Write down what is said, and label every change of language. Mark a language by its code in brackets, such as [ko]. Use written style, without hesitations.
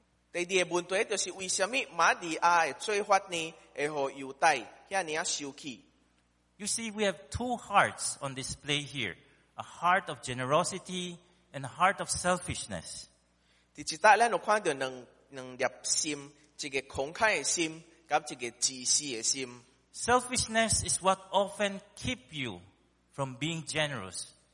[nan] 第二个问题就是为什么玛利亚的做法呢，会让犹大遐尼啊生气？ [en] You see, we have two hearts on display here: a heart of generosity and a heart of selfishness. [nan] 第一节咱有看到两粒心，一个慷慨的心，甲一个自私的心。 [en] Selfishness is what often keep you from being generous.